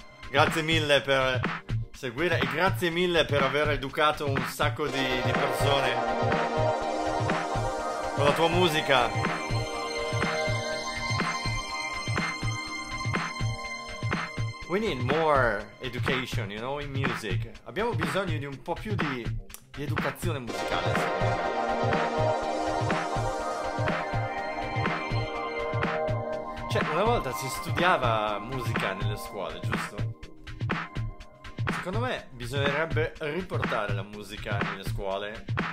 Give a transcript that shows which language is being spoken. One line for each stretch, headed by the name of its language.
Italian: Grazie mille per seguire e grazie mille per aver educato un sacco di persone con la tua musica.
English: We need more education, you know, in music.
Italian: Abbiamo bisogno di un po' più di educazione musicale. Cioè, una volta si studiava musica nelle scuole, giusto? Secondo me bisognerebbe riportare la musica nelle scuole.